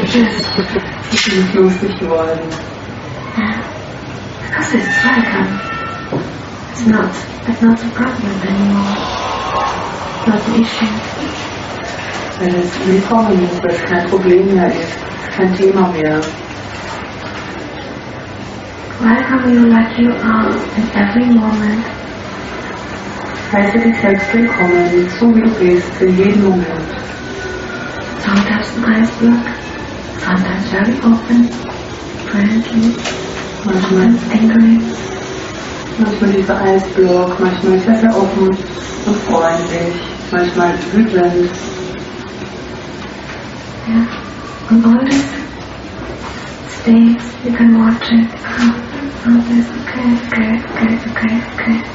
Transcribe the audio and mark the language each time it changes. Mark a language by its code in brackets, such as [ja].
[de] Ich bin lustig geworden. [en] Because it's welcome. It's not a problem anymore. Not an issue. [de] Wenn es willkommen ist, weil es kein Problem mehr ist, kein Thema mehr. [en] Welcome you like you are in every moment. [de] Heiße dich selbst willkommen, so wie du bist, in jedem Moment. [en] Sometimes an iceberg, sometimes very open, friendly, [de] manchmal [en] angry. [de] Manchmal dieser Eisblock, manchmal ist er sehr offen und freundlich, manchmal wütend. [en] Ja, und all these states, you can watch it. Oh, this is okay, okay, okay, okay, okay.